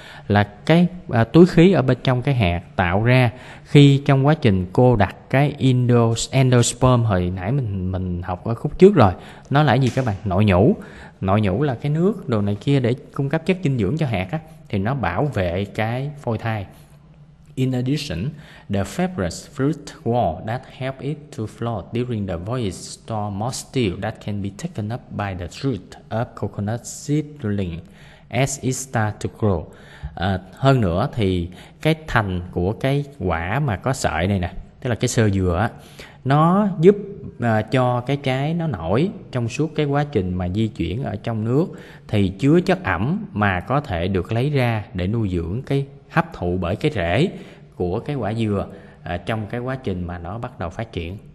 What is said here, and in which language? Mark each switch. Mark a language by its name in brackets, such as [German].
[Vietnamese] Là cái túi khí ở bên trong cái hạt tạo ra khi trong quá trình cô đặt cái endosperm hồi nãy mình học ở khúc trước rồi. Nó là gì các bạn? Nội nhũ. Nội nhũ là cái nước đồ này kia để cung cấp chất dinh dưỡng cho hạt á, thì nó bảo vệ cái phôi thai. [English] In addition, the fibrous fruit wall that help it to float during the voyage store moisture that can be taken up by the root of coconut seedling as it starts to grow. [Vietnamese] Hơn nữa thì cái thành của cái quả mà có sợi này nè, tức là cái sơ dừa á, nó giúp cho cái trái nó nổi trong suốt cái quá trình mà di chuyển ở trong nước, thì chứa chất ẩm mà có thể được lấy ra để nuôi dưỡng cái hấp thụ bởi cái rễ của cái quả dừa trong cái quá trình mà nó bắt đầu phát triển.